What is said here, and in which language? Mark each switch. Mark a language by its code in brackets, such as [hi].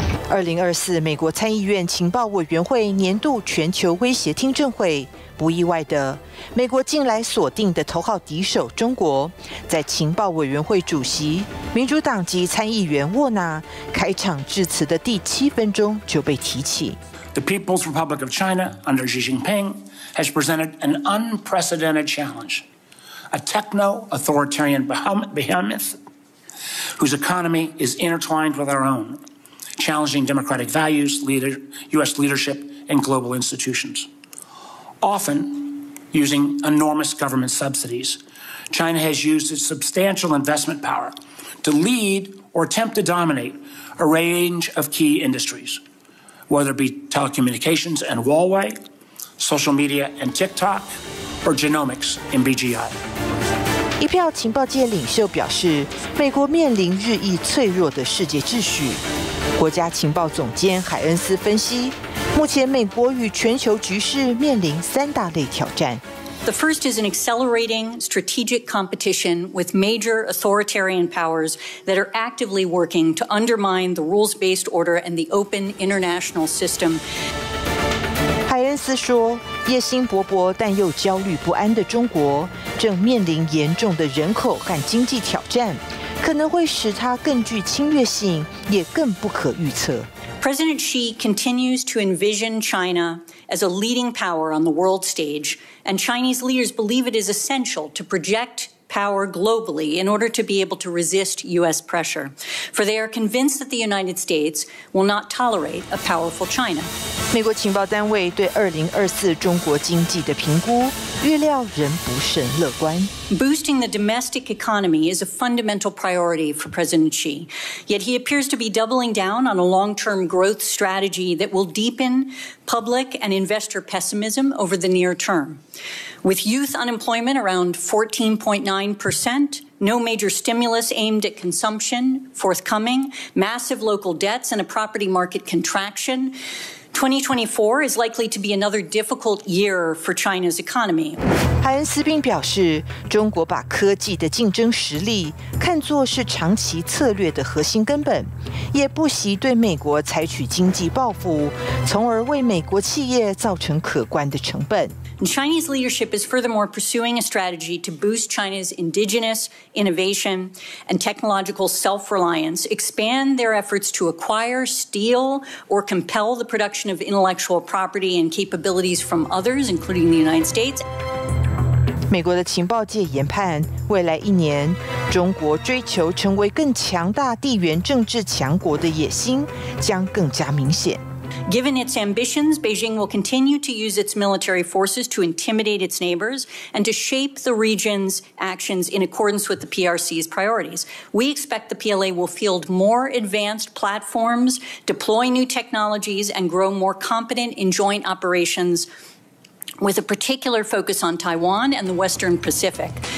[zh] 2024美国参议院情报委员会年度全球威胁听证会，不意外的，美国近来锁定的头号敌手中国，在情报委员会主席、民主党籍参议员沃纳开场致辞的第七分钟就被提起。 [en] The People's Republic of China under Xi Jinping has presented an unprecedented challenge, a techno-authoritarian behemoth whose economy is intertwined with our own, challenging democratic values, U.S. leadership, and global institutions. Often using enormous government subsidies, China has used its substantial investment power to lead or attempt to dominate a range of key industries, whether it be telecommunications and Huawei, social media and TikTok, or genomics and BGI. [zh] 一票情报界领袖表示，美国面临日益脆弱的世界秩序。国家情报总监海恩斯分析，目前美国与全球局势面临三大类挑战。 [en] The first is an accelerating strategic competition with major authoritarian powers that are actively working to undermine the rules-based order and the open international system. [zh] 海恩斯说，野心勃勃但又焦虑不安的中国正面临严重的人口和经济挑战，可能会使它更具侵略性，也更不可预测。 [en] President Xi continues to envision China as a leading power on the world stage, and Chinese leaders believe it is essential to project power globally in order to be able to resist U.S. pressure. For they are convinced that the United States will not tolerate a powerful China. [zh] 美国情报单位对2024中国经济的评估预料仍不甚乐观。 [en] Boosting the domestic economy is a fundamental priority for President Xi. Yet he appears to be doubling down on a long-term growth strategy that will deepen public and investor pessimism over the near term. With youth unemployment around 14.9%,No major stimulus aimed at consumption forthcoming, massive local debts and a property market contraction. 2024 is likely to be another difficult year for China's economy. [zh] 海恩斯并表示，中国把科技的竞争实力看作是长期策略的核心根本，也不惜对美国采取经济报复，从而为美国企业造成可观的成本。 [en] And Chinese leadership is furthermore pursuing a strategy to boost China's indigenous innovation and technological self-reliance, expand their efforts to acquire, steal, or compel the production of intellectual property and capabilities from others, including the United States. [zh] 美国的情报界研判，未来一年，中国追求成为更强大地缘政治强国的野心将更加明显。 [en] Given its ambitions, Beijing will continue to use its military forces to intimidate its neighbors and to shape the region's actions in accordance with the PRC's priorities. We expect the PLA will field more advanced platforms, deploy new technologies, and grow more competent in joint operations with a particular focus on Taiwan and the Western Pacific.